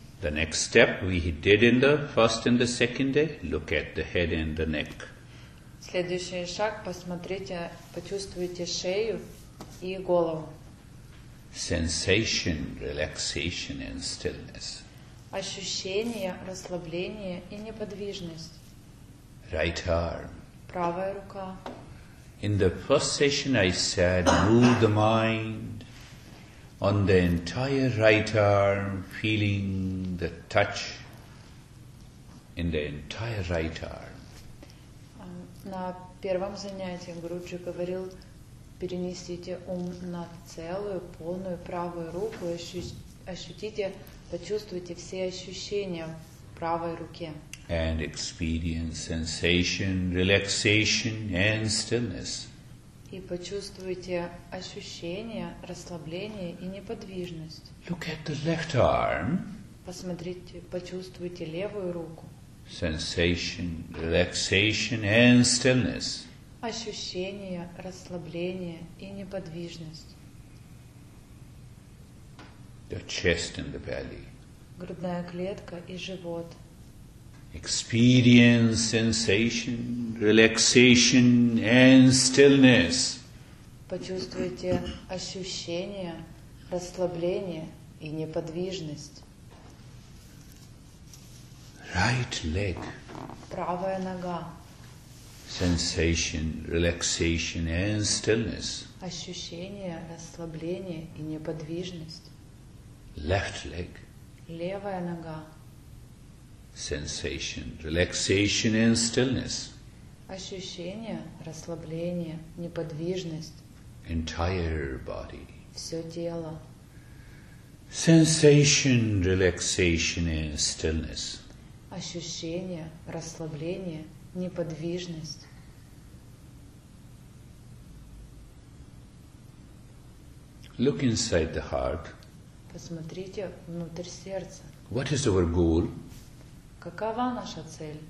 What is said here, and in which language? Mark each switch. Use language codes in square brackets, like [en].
[en] The next step we did in the first and the second day, look at the head and the neck. [ru] Следующий шаг, посмотрите, почувствуйте шею и голову. [en] Sensation, relaxation and stillness. [ru] Ощущение, расслабление и неподвижность. [en] Right arm. [ru] Правая рука. [en] In the first session I said, move the mind. On the entire right arm, feeling the touch in the entire right arm. [ru] На первом занятии Гуруджи говорил, перенесите ум на целую, полную правую руку, ощутите, почувствуйте все ощущения в правой руке. [en] And experience sensation, relaxation and stillness. [ru] И почувствуйте ощущение расслабления и неподвижность. [en] Look at the left arm. [ru] Посмотрите, почувствуйте левую руку. [en] Sensation, relaxation and stillness. [ru] Ощущение, расслабление и неподвижность. [en] The chest and the belly. [ru] Грудная клетка и живот. [en] Experience sensation, relaxation and stillness. [ru] Почувствуйте ощущение, расслабление и неподвижность. [en] Right leg. [ru] Правая нога. [en] Sensation, relaxation and stillness. [ru] Ощущение, расслабление и неподвижность. [en] Left leg. [ru] Левая нога. [en] Sensation, relaxation and stillness. [ru] Ощущение, расслабление, неподвижность. [en] Entire body. [ru] Все тело. [en] Sensation, relaxation and stillness. [ru] Ощущение, расслабление, неподвижность. [en] Look inside the heart. [ru] Посмотрите внутрь сердца. [en] What is our goal? [ru] Какова наша цель?